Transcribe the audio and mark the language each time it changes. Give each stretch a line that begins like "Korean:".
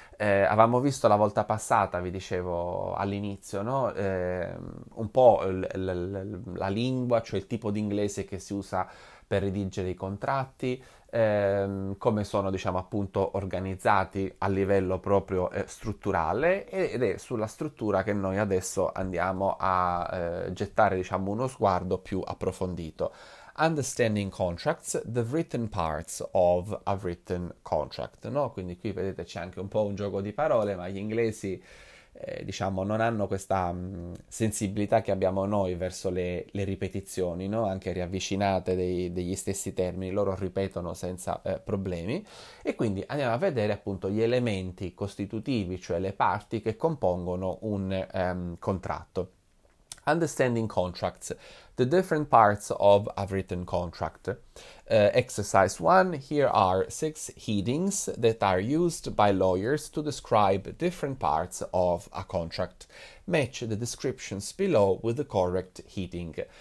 Italian: Avevamo visto la volta passata, vi dicevo all'inizio, no, un po' la lingua, cioè il tipo di inglese che si usa per redigere i contratti, come sono, diciamo, appunto organizzati a livello proprio strutturale, ed è sulla struttura che noi adesso andiamo a gettare, diciamo, uno sguardo più approfondito.
English: Understanding contracts, the written parts of a written contract, no?
Italian: Quindi qui vedete c'è anche un po' un gioco di parole, ma gli inglesi, diciamo, non hanno questa sensibilità che abbiamo noi verso le ripetizioni, no? Anche riavvicinate degli stessi termini, loro ripetono senza problemi. E quindi andiamo a vedere appunto gli elementi costitutivi, cioè le parti che compongono un contratto.
English: Understanding contracts, the different parts of a written contract. Exercise 1. Here are six headings that are used by lawyers to describe different parts of a contract. Match the descriptions below with the correct heading.